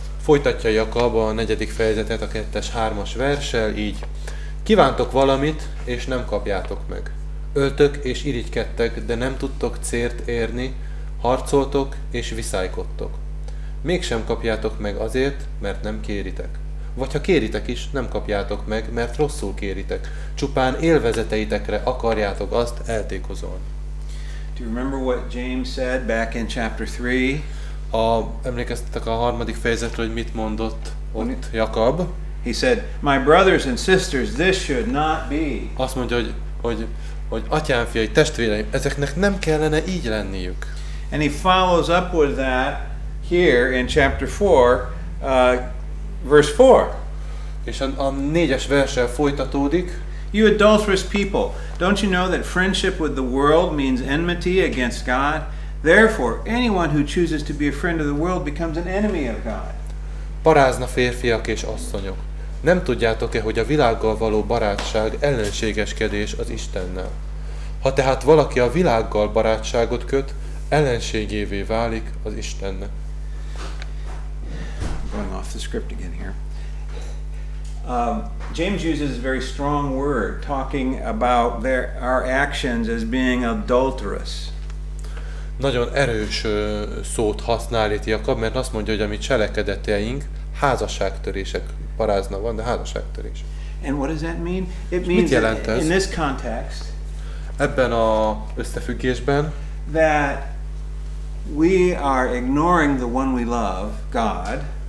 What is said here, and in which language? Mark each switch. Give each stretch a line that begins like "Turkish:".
Hungarian: Folytatja Jakab a negyedik fejezetet a 2-3 verssel így. Kívántok valamit, és nem kapjátok meg. Öltök és irigykedtek, de nem tudtok célt érni, harcoltok és viszálykodtok. Mégsem kapjátok meg azért, mert nem kéritek. vagy ha kéritek is, nem kapjátok meg, mert rosszul kéritek. Csupán élvezeteitekre akarjátok azt eltékozolni.
English: Do you remember what James said back in chapter 3?
Hungarian: Emlékeztetek a harmadik fejezetről, hogy mit mondott ott Jakab?
English: He said, "My brothers and sisters, this should not be."
Hungarian: Azt mondja, hogy atyám fiai, testvéreim, ezeknek nem kellene így lenniük.
English: And he follows up with that here in chapter 4, verse 4.
Hungarian: És a négyes verssel folytatódik.
English: "You adulterous people, don't you know that friendship with the world means enmity against God? Therefore, anyone who chooses to be a friend of the world becomes an enemy of God."
Hungarian: Parázna férfiak és asszonyok, nem tudjátok-e, hogy a világgal való barátság ellenségeskedés az Istennel? Ha tehát valaki a világgal barátságot köt, ellenségévé válik az Istennek.
English: Going off the script again here. James uses a very strong word talking about our actions as being adulterous.
Hungarian: Nagyon erős szót használ itt Jakab, mert azt mondja, hogy a mi cselekedeteink házasságtörések. Parázna van, de házasságtörés.
English: And what does that mean? It means
Hungarian: mit jelent ez?
English: In this context,
Hungarian: ebben a összefüggésben,
English: that we are ignoring the one we love, God.